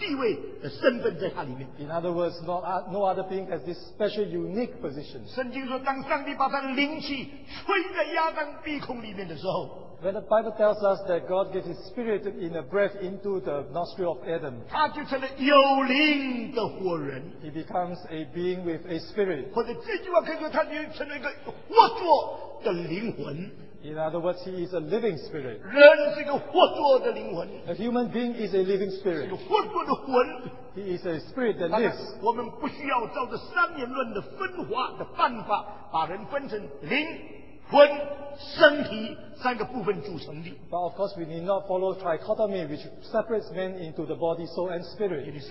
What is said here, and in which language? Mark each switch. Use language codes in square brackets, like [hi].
[zh] 所以将来万物中间就没有一个像人一样有灵性的这种特殊地位的身份在他里面。 [en] In other words, no other being has this special unique position. [zh] 圣经说当上帝把他的灵气吹在亚当鼻孔里面的时候, [en] when the Bible tells us that God gives his spirit in a breath into the nostril of Adam, he becomes a being with a spirit. In other words, he is a living spirit. A human being is a living spirit. He is a spirit that lives. [zh] 我们不需要照着三元论的分化的办法把人分成灵, 魂、身体三个部分组成的。 [en] But of course, we need not follow trichotomy, which separates man into the body, soul, and spirit.